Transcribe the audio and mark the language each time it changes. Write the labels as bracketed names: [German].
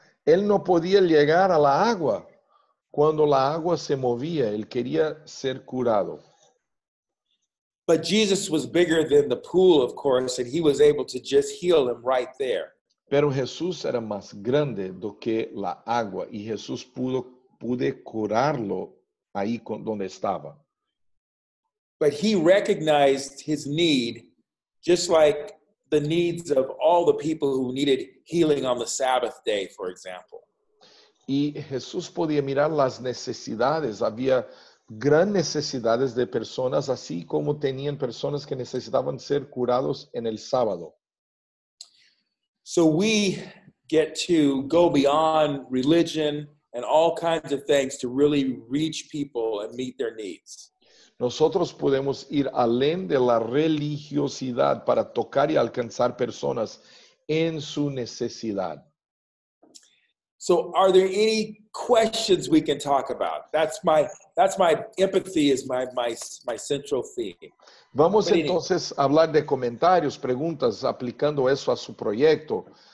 [Spanish] Él no podía llegar a la agua cuando la agua se movía. Él quería ser curado. [English] But Jesus was bigger than the pool, of course, and he was able to just heal him right there. [Spanish] Pero Jesús era más grande do que la agua y Jesús pude curarlo ahí donde estaba. [English] But he recognized his need, just like the needs of all the people who needed healing on the Sabbath day, for example. [Spanish] Y Jesús podía mirar las necesidades. Había grandes necesidades de personas, así como tenían personas que necesitaban ser curados en el sábado. [English] So we get to go beyond religion and all kinds of things to really reach people and meet their needs. [Spanish] Nosotros podemos ir além de la religiosidad para tocar y alcanzar personas en su necesidad. [English] So are there any questions we can talk about? That's my empathy is my central theme. [Spanish] Vamos entonces a hablar de comentarios, preguntas, aplicando eso a su proyecto.